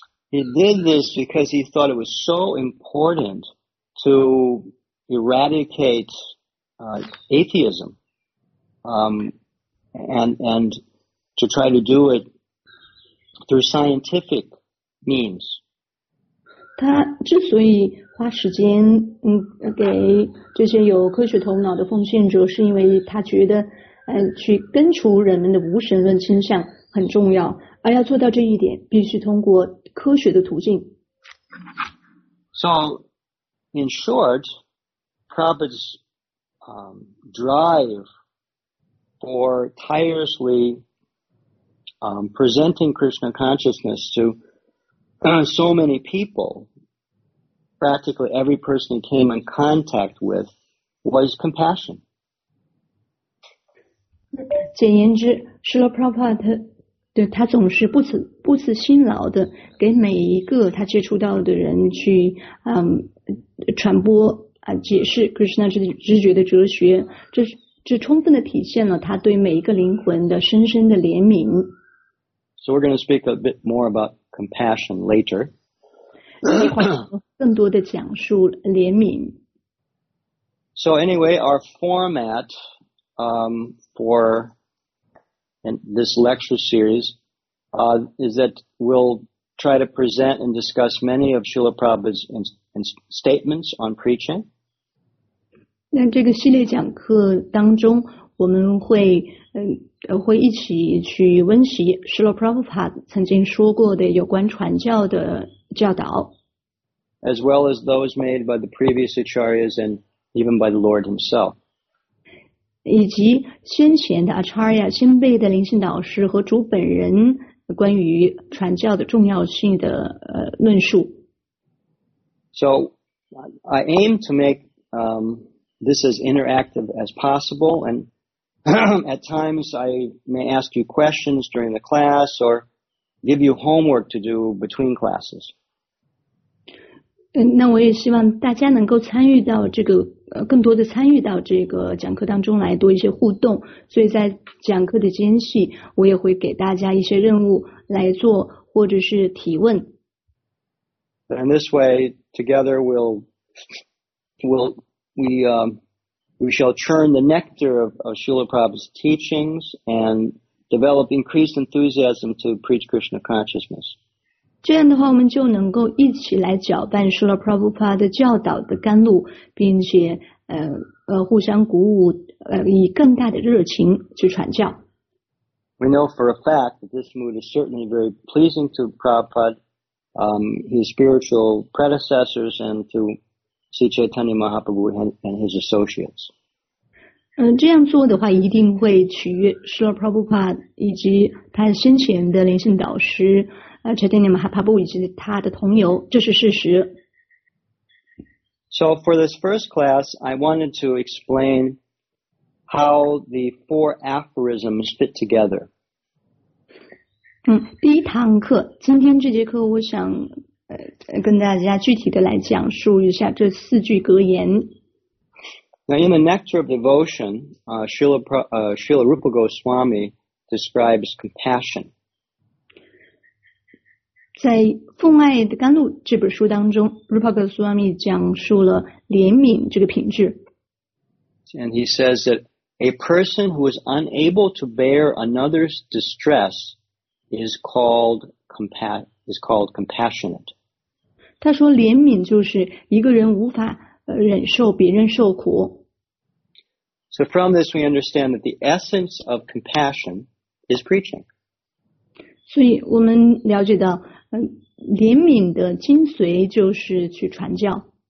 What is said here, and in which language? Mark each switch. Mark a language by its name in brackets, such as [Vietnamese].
[English] He did this because he thought it was so important to eradicate atheism and to try to do it through scientific means. [Chinese] 他之所以花时间给这些有科学头脑的奉献者，是因为他觉得去根除人们的无神论倾向很重要，而要做到这一点必须通过科学的途径。 [English] So in short, Prabhupada's drive for tirelessly presenting Krishna consciousness to so many people, practically every person he came in contact with, was compassion. [Chinese] 简言之，是了 Prabhupada对他总是不辞辛劳的给每一个他接触到的人去传播解释 Krishna 知觉的哲学，这充分的体现了他对每一个灵魂的深深的怜悯。 [English] So we're going to speak a bit more about compassion later. [Chinese] 一会儿更多的讲述怜悯。 [English] So anyway, our format for in this lecture series is that we'll try to present and discuss many of Srila Prabhupada's statements on preaching. [Chinese] 那这个系列讲课当中，我们会一起去温习 Srila Prabhupada 曾经说过的有关传教的教导。 [English] As well as those made by the previous acharyas and even by the Lord himself. [Chinese] 以及先前的 Acharya 先辈的灵性导师和主本人关于传教的重要性的论述。 [English] So I aim to make this as interactive as possible, and at times I may ask you questions during the class or give you homework to do between classes. [Chinese] 那我也希望大家能够参与到这个更多的参与到这个讲课当中来，多一些互动，所以在讲课的间隙我也会给大家一些任务来做或者是提问。 [English] And this way together we shall churn the nectar of Srila Prabhupada's teachings and develop increased enthusiasm to preach Krishna consciousness. [Chinese] 这样的话我们就能够一起来搅拌 Srila Prabhupada 的教导的甘露，并且互相鼓舞以更大的热情去传教。 [English] We know for a fact that this mood is certainly very pleasing to Prabhupada, his spiritual predecessors, and to Sri Chaitanya Mahaprabhu and his associates. [Chinese] 这样做的话一定会取悦 Srila Prabhupada 以及他先前的灵性导师Chaitanya Mahaprabhu 以及他的同游，这是事实。 [English] So for this first class, I wanted to explain how the four aphorisms fit together. [Chinese] 第一堂课，今天这节课我想跟大家具体的来讲述一下这四句格言。 [English] Now in the Nectar of Devotion, Srila Rupa Goswami describes compassion. [Chinese] 在《奉爱的甘露》这本书当中 Rupa Goswami 讲述了怜悯这个品质。 [English] And he says that a person who is unable to bear another's distress is called compassionate. [Chinese] 他说怜悯就是一个人无法忍受别人受苦。 [English] So from this we understand that the essence of compassion is preaching. [Chinese] 所以我们了解到怜悯的精髓就是去传教。